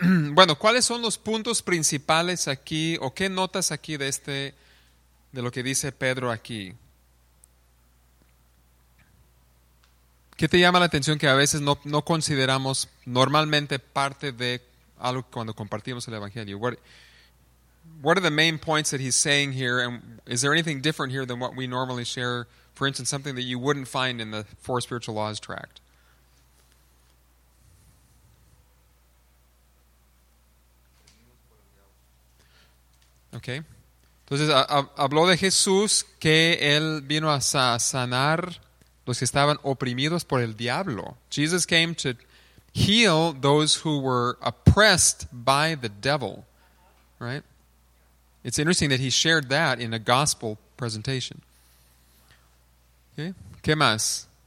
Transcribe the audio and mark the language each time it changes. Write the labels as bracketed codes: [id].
[es] Bueno, ¿cuáles son los puntos principales aquí o qué notas aquí de este de lo que dice Pedro aquí? ¿Qué te llama la atención que a veces no consideramos normalmente parte de algo cuando compartimos el evangelio? [en] What are the main points that he's saying here, and is there anything different here than what we normally share? For instance, something that you wouldn't find in the Four Spiritual Laws tract. Okay. [es] Entonces habló de Jesús, que él vino a sanar los que estaban oprimidos por el diablo. [en] Jesus came to heal those who were oppressed by the devil, right? It's interesting that he shared that in a gospel presentation. [es] Okay. ¿Qué más?